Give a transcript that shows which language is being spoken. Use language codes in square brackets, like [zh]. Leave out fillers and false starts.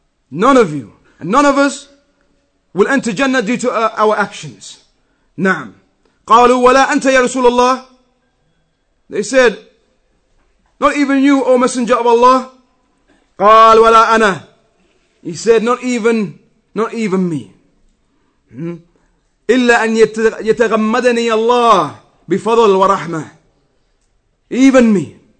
[en] None of you and none of us will enter Jannah due to our actions. [ar] نعم. قالوا ولا أنت يا رسول الله. [en] They said, not even you, O Messenger of Allah. [ar] قال ولا أنا. [en] He said, not even me. [ar] إِلَّا أَنْ يَتَغَمَّدَنِي اللَّهِ بِفَضَلْ وَرَحْمَةِ [en] Even me.